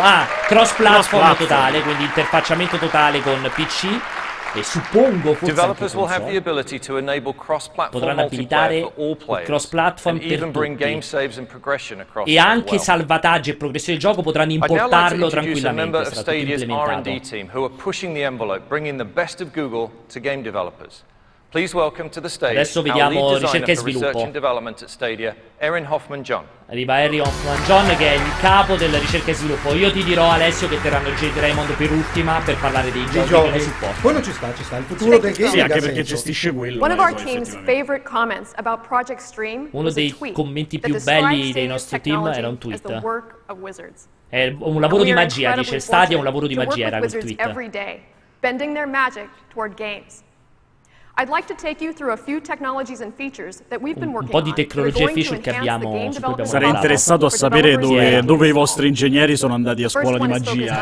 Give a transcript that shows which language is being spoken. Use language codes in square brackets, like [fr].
[it] Ah, cross platform totale, quindi interfacciamento totale con PC. E suppongo forse [en] developers will have the ability to enable [it] potranno abilitare il cross platform per tutti e anche salvataggio e progressione del gioco, potranno importarlo tranquillamente, sarà tutto implementato. [en] Pushing the envelope, bringing the best of Google to game developers. Please welcome to the stage. [it] Adesso vediamo ricerca e sviluppo. Stadia, Aaron Hoffman John. Arriva Aaron Hoffman John, che è il capo della ricerca e sviluppo. Io ti dirò, Alessio, che terranno Jade Raymond per ultima per parlare dei giochi che ne supporta. Quello ci sta, il futuro del game. Sì, anche perché gestisce quello. [en] One of our team's favorite comments about Project Stream. [it] Uno dei commenti più belli dei nostri team era un tweet. È un lavoro di magia, dice Stadia, è un lavoro di magia, era il tweet. [en] Every day, bending their magic toward games. I'd like to take you through a few technologies and features that we've been working [it] on. Un po' di tecnologie e feature che abbiamo. Sarei interessato a sapere dove i vostri ingegneri sono andati a scuola di magia.